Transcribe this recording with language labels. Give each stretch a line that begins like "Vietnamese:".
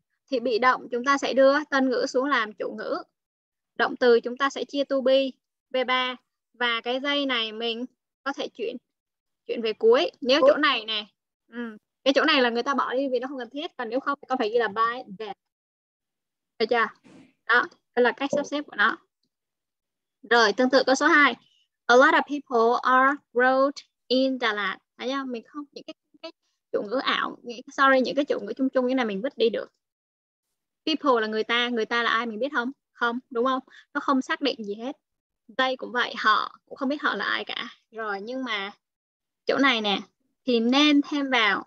Vietnamese: Thì bị động chúng ta sẽ đưa tân ngữ xuống làm chủ ngữ. Động từ chúng ta sẽ chia to be về ba. Và cái dây này mình có thể chuyển chuyển về cuối. Nếu chỗ này nè, cái chỗ này là người ta bỏ đi vì nó không cần thiết. Còn nếu không thì có phải ghi là by there. Được chưa? Đó, đây là cách sắp xếp của nó. Rồi, tương tự câu số 2.
English: A lot of people are growed in Đà Lạt.
Vietnamese: Thấy không? Mình không, những cái chủ ngữ ảo, những cái chủ ngữ chung chung như này mình vứt đi được. People là người ta là ai mình biết không? Không, đúng không? Nó không xác định gì hết. Đây cũng vậy, họ cũng không biết họ là ai cả. Rồi, nhưng mà chỗ này nè, thì nên thêm vào.